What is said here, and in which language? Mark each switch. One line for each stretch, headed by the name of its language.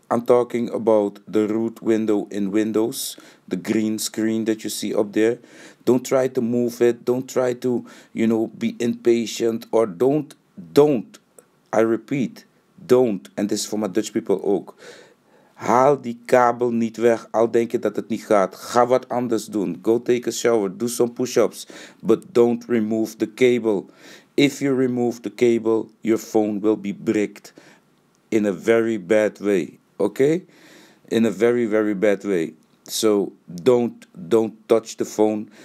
English: I'm talking about the root window in Windows, the green screen that you see up there. Don't try to move it. Don't try to, you know, be impatient, or don't, and this is for my Dutch people ook.
Dutch: Haal die kabel niet weg, al denk je dat het niet gaat. Ga wat anders doen.
English: Go take a shower, do some push-ups, but don't remove the cable. If you remove the cable, your phone will be bricked in a very bad way. Okay, in a very, very bad way. So don't touch the phone.